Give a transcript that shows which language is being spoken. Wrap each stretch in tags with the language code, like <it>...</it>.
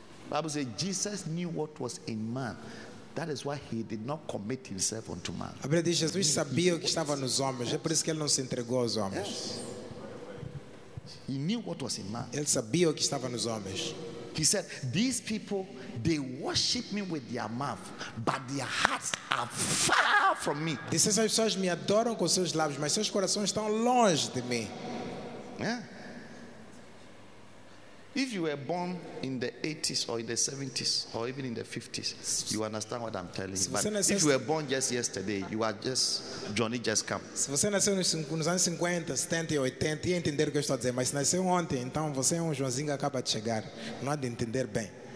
<en>Bible says Jesus knew what was in man. That is why he did not commit himself unto man.</en> <pt>A Bíblia diz que Jesus sabia o que estava nos homens. É por isso que ele não se entregou aos homens.</pt> <en>He knew what was in man.</en> <pt>Ele sabia o que estava nos homens.</pt> <en>He said, these people, they worship me with their mouth, but their hearts are far from me.</en> <pt>Disse, essas pessoas me adoram com seus lábios, mas seus corações estão longe de mim.</pt> <en>Yeah. If you were born in the 80s or in the 70s or even in the 50s, you understand what I'm telling you. But if you were born just yesterday, you are just Johnny just come.</en> <pt>Se você nasceu nos anos 50, 70 e 80, ia entender o que eu estou a dizer. Mas se nasceu ontem, então você é Joãozinho que acaba de chegar. Não há de entender bem.</pt>